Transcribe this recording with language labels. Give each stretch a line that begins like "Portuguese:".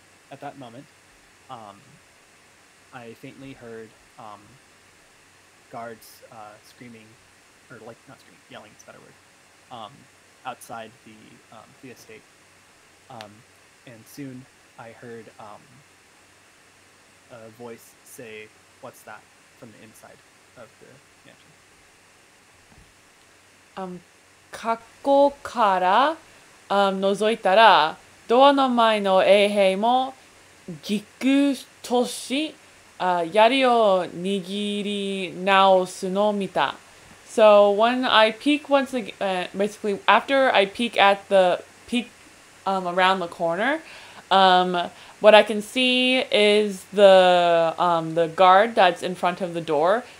English: At that moment, I faintly heard, guards, screaming, or like, not screaming, yelling is a better word, outside the estate. And soon I heard, a voice say, what's that, from the inside of the mansion.
Japanese: ここから、覗いたら、ドアの前の衛兵も、ぎくとし、槍を握り直すのを見た。
English: So, when I peek once again, basically, after I peek at the, peek, around the corner, what I can see is the guard that's in front of the door.